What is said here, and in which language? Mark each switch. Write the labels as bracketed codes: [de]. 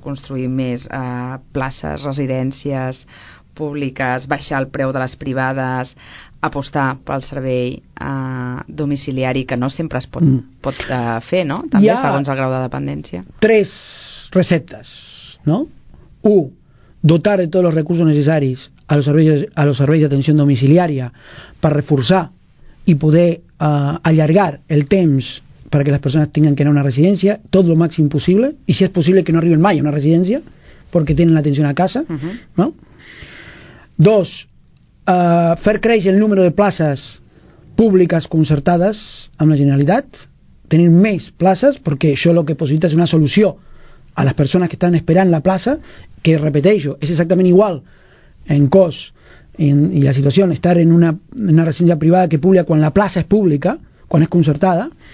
[ca] Construir més places, residències públiques, baixar el preu de les privades, apostar pel servei domiciliari, que no sempre es pot fer, no? També segons el grau de dependència. Tres receptes, no? 1. [es] dotar de todos los recursos necesarios a los servicios, a los servicios de atención domiciliaria para reforzar y poder [ca] allargar el temps [es] para que las personas tengan que ir a una residencia, todo lo máximo posible, y si es posible que no [ca] arriben [es] más a una residencia, porque tienen la atención a casa. Uh-huh. ¿No? [ca] Dos, fer créixer el número de places públiques concertades amb la Generalitat, tenir més places, perquè això el que possibilita és una solució a les persones que estan esperant la plaça, que repeteixo, és exactament igual en cos i la situació, estar en una residència privada que pública quan la plaça és pública, quan és concertada.